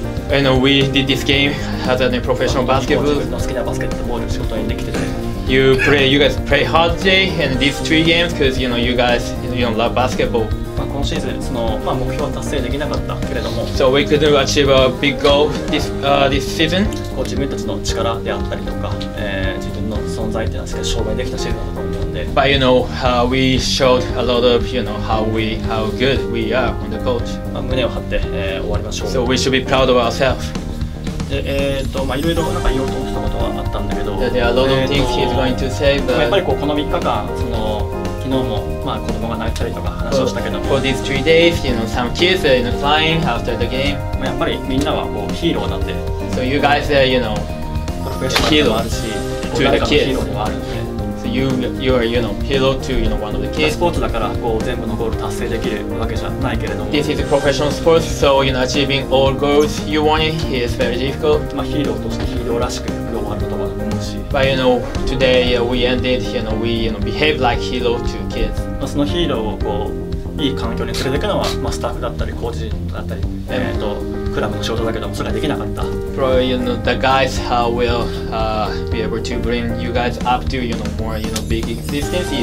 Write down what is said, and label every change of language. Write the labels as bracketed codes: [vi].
[en] I know we did this game as a professional basketball. You guys play hard today in these three games because you know you guys love basketball. So we couldn't achieve a big goal this season. [ja] 自分たちの力であったりとか、自分の存在というのは証明できたシーズンだと思うので。 [en] But you know how we showed a lot of how good we are on the coach. [ja] 胸を張って、終わりましょう。 [en] So we should be proud of ourselves. [ja] いろいろ言おうと思ったことはあったんだけど、やっぱりこうこの3日間、その昨日も、子供が泣いたりとか話をしたけども、やっぱりみんなはこうヒーローなんで、 [en] so you guys are, [ja] プロフェッショナルでもあるし、ヒーローでもあるんで。スポーツだからこう全部のゴール達成できるわけじゃないけれども [en] 、This is a professional sport, so achieving all goals you want is very difficult. [ja] ヒーローとしてヒーローらしく今日もあることだと思うし、 [en] But today we ended, we behave like hero to kids. [ja] そのヒーローをこういい環境に連れていくのは、スタッフだったりコーチだったり、クラブの仕事だけどもそれができなかった。 [en] Probably you know, the guys will be able to bring you guys up to you know, more you know, big existence.